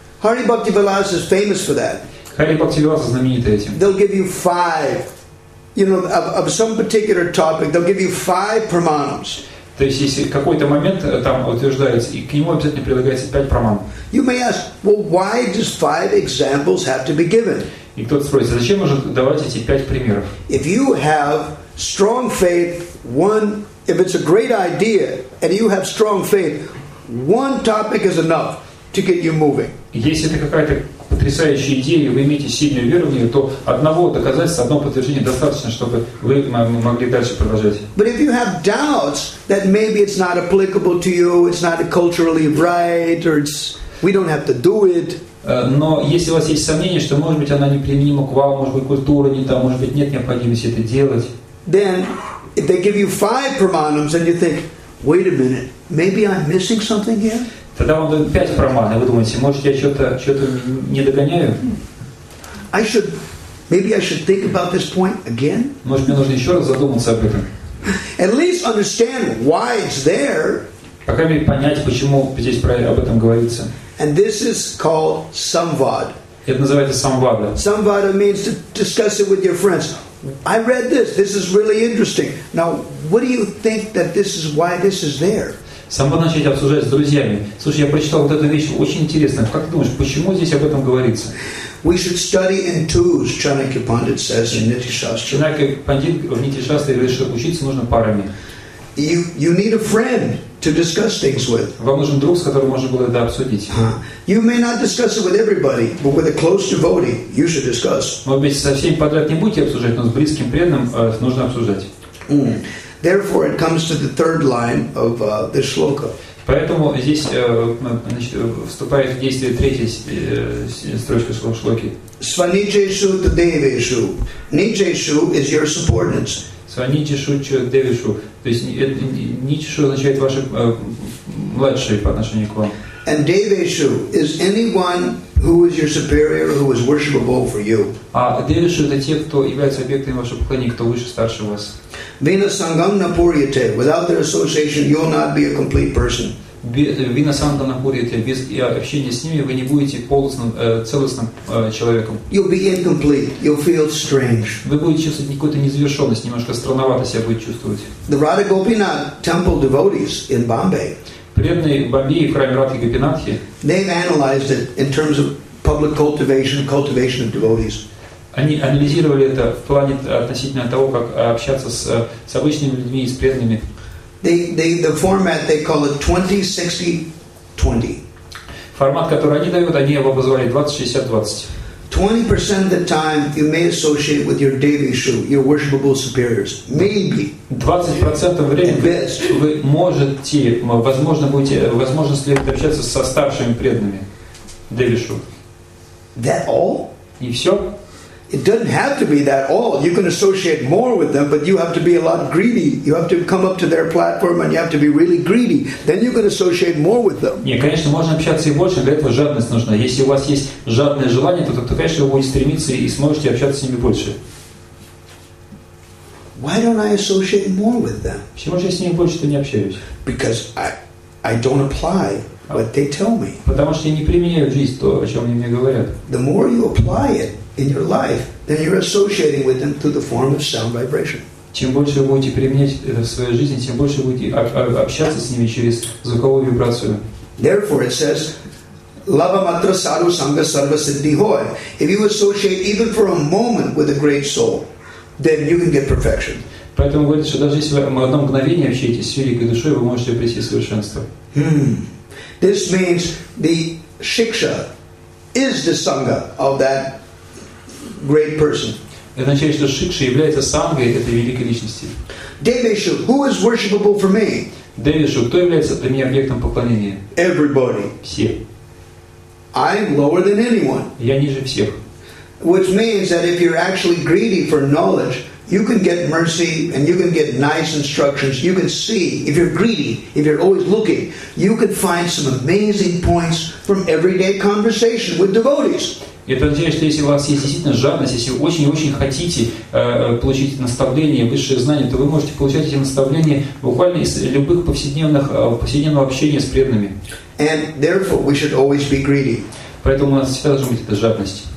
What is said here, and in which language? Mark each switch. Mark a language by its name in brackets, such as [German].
[English] Hari Bhakti Vilas is famous for that. [Russian] Hari Bhakti Vilas знаменит этим. [English] They'll give you 5, you know, of some particular topic. They'll give you 5 pramanams. [Russian] То есть если какой-то момент там утверждается, и к нему обязательно прилагается 5 праман. [English] You may ask, well, why does 5 examples have to be given? [Russian] И кто-то спросит, зачем нужно давать эти 5 примеров? [English] If you have strong faith, one. If it's a great idea and you have strong faith, one topic is enough to get you moving. [Russian] Если это какая-то потрясающая идея, и вы имеете сильную веру в нее, то одного доказательства, одного подтверждения достаточно, чтобы вы могли дальше продолжать. [English] But if you have doubts that maybe it's not applicable to you, it's not culturally right, or it's we don't have to do it. [Russian] Но если у вас есть сомнения, что может быть она неприменима к вам, может быть культура не та, может быть нет необходимости это делать, [English] then if they give you 5 pramanams and you think, wait a minute, maybe I'm missing something here? [Russian] Тогда вам дают 5 праман, и вы думаете, может, я что-то не догоняю? [English] Maybe I should think about this point again? [Russian] Может, мне нужно еще раз задуматься об этом? [English] At least understand why it's there. [Russian] По крайней мере, понять, почему здесь об этом говорится. [English] And this is called samvad. [Russian] Это называется самвада. [English] Samvada means to discuss it with your friends. I read this. This is really interesting. Now, what do you think that this is? Why this is there? [Russian] Само начать обсуждать с друзьями. Слушай, я прочитал вот эту вещь. Очень интересно. Как ты думаешь, почему здесь об этом говорится? [English] We should study in twos. Chanakya Pandit says in Niti Shastra. [Russian] Chanakya Pandit в Нити Шастре говорит, что учиться нужно парами. [English] You need a friend. to discuss things with. [Russian] Вам нужен друг, с которым можно было это обсудить. [English] You may not discuss it with everybody, but with a close devotee, you should discuss. [Russian] Может быть, со всеми подряд не будете обсуждать, но с близким преданным нужно обсуждать. [English] Therefore, it comes to the third line of this shloka. [Russian] Поэтому здесь значит, вступает в действие третья строчка шлоки. [Sanskrit] Сванижешу тадевешу. [English] Ниджешу is your subordinates. [Sanskrit] Сванижешу тадевешу. [Russian] То есть ниджешу означает ваши младшие по отношению к вам. [English] And devешу is anyone who is your superior, who is worshipable for you. [Russian] А девешу это те, кто является объектом вашего поклонения, кто выше, старше вас. [Sanskrit] Vina sangam napuryate. [English] Without their association, you'll not be a complete person. [Sanskrit] Vina sangam napuryate. [Russian] Без общения с ними вы не будете полностью целостным человеком. [English] You'll be incomplete. You'll feel strange. [Russian] Вы будете чувствовать какую-то незавершенность, немножко странновато себя будете чувствовать. [English] The Radha Gopinath temple devotees in Bombay. [Russian] Преданные в Бомбее в храме Радхи Гопинатхи. [English] They've analyzed it in terms of public cultivation, cultivation of devotees. [Russian] Они анализировали это в плане относительно того, как общаться с обычными людьми и с преданными. [English] The format they call it 20-60-20. [Russian] Формат, который они дают, они его обозвали 20-60-20. [English] 20% of the time you may associate with your devishu, your worshipable superiors. Maybe. [Russian] 20% времени вы можете, возможно, будете, возможно, следует общаться со старшими преданными девишу. [English] That all? [Russian] И все? [English] It doesn't have to be that all. You can associate more with them, but you have to be a lot greedy. You have to come up to their platform, and you have to be really greedy. Then you can associate more with them. [Russian] Нет, конечно, можно общаться и больше. Для этого жадность нужна. Если у вас есть жадное желание, то конечно, вы будете стремиться и сможете общаться с ними больше. [English] Why don't I associate more with them? [Russian] Почему же я с ними больше-то не общаюсь? [English] Because I don't apply what they tell me. [Russian] Потому что я не применяю в жизнь то, о чем они мне говорят. [English] The more you apply it in your life, then you're associating with them through the form of sound vibration. [Russian] Чем больше вы будете применять в своей жизни, тем больше будете общаться с ними через звуковую вибрацию. [English] Therefore, it says, [Bangla] "Lava matra sadhu sangha sarva siddhi hoy." [English] If you associate even for a moment with a great soul, then you can get perfection. [Russian] Поэтому говорится, что даже если вы одно мгновение общаетесь с великой душой, вы можете обрести совершенство. [English] This means the shiksha is the sangha of that great person. [Russian] Это означает, что шикша является сангой этой великой личности. [English] Девишу, who is worshipable for me? [Russian] Девишу, кто является для меня объектом поклонения? [English] Everybody. [Russian] Все. [English] I'm lower than anyone. [Russian] Я ниже всех. [English] Which means that if you're actually greedy for knowledge, you can get mercy and you can get nice instructions. You can see, if you're greedy, if you're always looking, you can find some amazing points from everyday conversation with devotees. [Russian] Это означает, что если у вас есть действительно жадность, если вы очень-очень хотите получить наставление, высшее знание, то вы можете получать эти наставления буквально из любых повседневных, повседневного общения с преданными. [English] And therefore we should always be greedy. [Russian] Поэтому у нас всегда должна быть эта жадность.